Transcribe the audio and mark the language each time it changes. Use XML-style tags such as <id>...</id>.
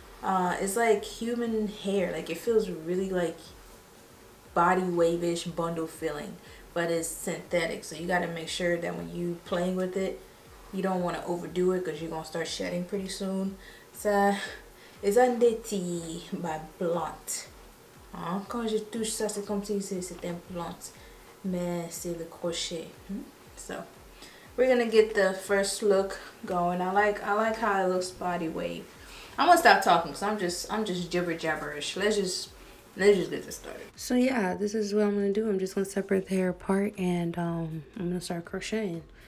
<en>It's like human hair, like it feels really like body wave-ish bundle feeling, but it's synthetic. So you got to make sure that when you playing with it, you don't want to overdo it because you're gonna start shedding pretty soon. So it's undetty by blunt.</en> <fr>Quand je touche ça, c'est comme si c'était un blunt. Mais c'est le crochet.</fr> <en>So, we're going to get the first look going. I like how it looks body wave. I'm going to stop talking because I'm just jibber-jabberish. Let's just get this started. So, yeah, this is what I'm going to do. I'm just going to separate the hair apart and I'm going to start crocheting.</en>